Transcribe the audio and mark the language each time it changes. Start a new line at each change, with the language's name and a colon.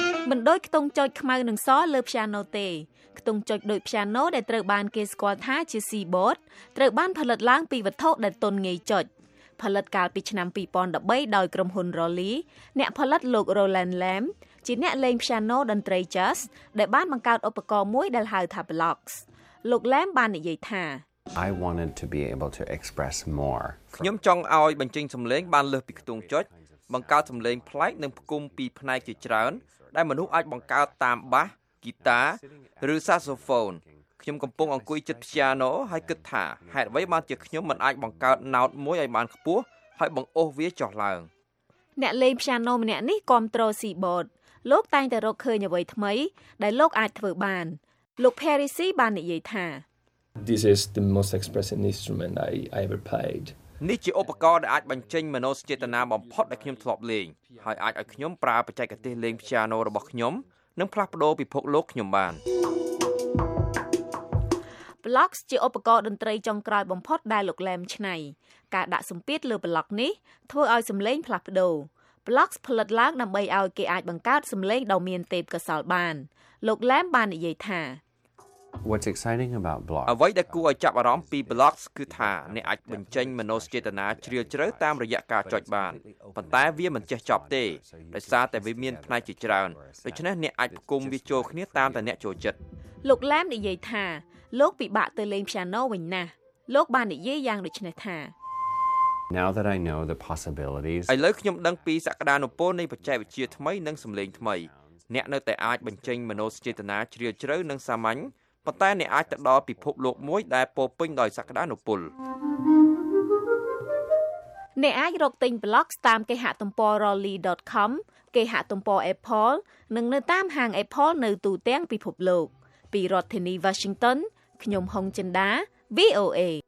Khmer: មិនដូចខ្ទង់ចុចខ្មៅនឹងសលើផ្ចាណូទេខ្ទង់ចុចដូចផ្ចាណូដែលត្រូវបានគេស្គាល់ថាជា C-Board ត្រូវបានផលិតឡើងពីវត្ថុដែលទន់ងាយចុចផលិតកាលពីឆ្នាំ2013ដោយក្រុមហ៊ុន Rolly អ្នកផលិតលោក Roland Lam ជាអ្នកលេងផ្ចាណូតន្ត្រី Jazz ដែលបានបង្កើតឧបករណ៍មួយដែលហៅថា Blocks លោក Lam បាននិយាយថា
English: I wanted to be able to express more
Khmer: ខ្ញុំចង់ឲ្យបញ្ចេញសំឡេងបានលើសពីខ្ទង់ចុចបង្កើតសំឡេងប្លែកនិងផ្គុំពីផ្នែកជាច្រើនដែលមនុស្សអាចបង្កើតតាមបាសហ្គីតាឬសាក់សូហ្វូនខ្ញុំកំពុងអង្គុយជិតព្យាណូហើយគិតថាហេតុអ្វីបានជាខ្ញុំមិនអាចបង្កើតណោតមួយឲ្យបានខ្ពស់ហើយបង្អុសវាចុះឡើង អ្នកលេងព្យាណូម្នាក់នេះគ្រប់គ្រង C-Board លោកតែងតែរកឃើញអ្វីថ្មីដែលលោកអាចធ្វើបានលោក Parisy បាននិយាយថា
English: This is the most expressive instrument I ever played
Khmer: នេះជាឧបករណ៍ដែលអាចបញ្ចេញមនោសញ្ចេតនាបំផុតដែលខ្ញុំធ្លាប់លេងហើយអាចឲ្យខ្ញុំប្រើបច្ចេកទេសលេងព្យាណូរបស់ខ្ញុំនឹងផ្លាស់ប្ដូរពិភពលោកខ្ញុំបាន Blocks ជាឧបករណ៍តន្ត្រីចុងក្រោយបំផុតដែលលោកឡែមឆ្នៃការដាក់សម្ពាធលើ Block នេះធ្វើឲ្យសម្លេងផ្លាស់ប្ដូរ Blocks ផលិតឡើងដើម្បីឲ្យគេអាចបង្កើតសម្លេងដ៏មានទេពកោសល្យបានលោកឡែមបាននិយាយថា
English: What's exciting about blogs?
Khmer: អ្វីដែលគួរឲ្យចាប់អារម្មណ៍ពី blogs គឺថាអ្នកអាចបញ្ចេញមនោសញ្ចេតនាជ្រាលជ្រៅតាមរយៈការចុចបានប៉ុន្តែវាមិនចេះចប់ទេដោយសារតែវាមានផ្នែកជាច្រើនដូច្នេះអ្នកអាចផ្គុំវាចូលគ្នាតាមតែអ្នកចូលចិត្ត លោកឡាមនិយាយថាលោកពិបាកទៅលេង piano វិញណាស់លោកបាននិយាយយ៉ាងដូច្នេះថា
English: Now that I know the possibilities
Khmer: ឥឡូវខ្ញុំដឹងពីសក្តានុពលនៃបច្ចេកវិទ្យាថ្មីនិងសំឡេងថ្មីអ្នកនៅតែអាចបញ្ចេញមនោសញ្ចេតនាជ្រាលជ្រៅនិងសាមញ្ញប៉ុន្តែអ្នកអាចទៅដល់ពិភពលោកមួយដែលពោរពេញដោយសក្តានុពល អ្នកអាចរកទិញ blogs តាមគេហទំព័រ rolly.com គេហទំព័រ Apple និងនៅតាមហាង Apple នៅទូទាំងពិភពលោកពីរដ្ឋធានី Washington ខ្ញុំហុងចិនដា VOA